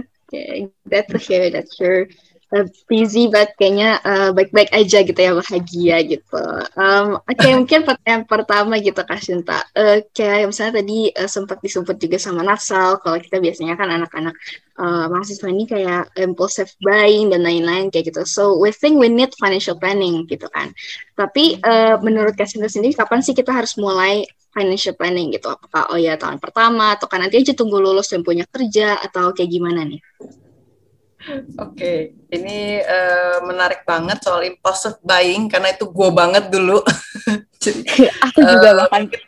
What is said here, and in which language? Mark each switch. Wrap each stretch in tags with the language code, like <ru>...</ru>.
<en>Okay, that's okay, that's sure. Busy, but</en> <id>kayaknya baik-baik aja gitu ya, bahagia gitu. Okay, mungkin pertanyaan pertama gitu, Kak Shinta. Kayak misalnya tadi sempat disebut juga sama Natsal, kalau kita biasanya kan anak-anak mahasiswa ini kayak impulsive buying dan lain-lain kayak gitu.</id> <en>So, we think we need financial planning</en> <id>gitu kan. Tapi menurut Kak Shinta sendiri, kapan sih kita harus mulai financial planning gitu? Apakah oh ya tahun pertama atau kan nanti aja tunggu lulus dan punya kerja atau kayak gimana nih? Oke, okay. Ini menarik banget soal impulsive buying karena itu gue banget dulu. Aku juga bahkan.</id>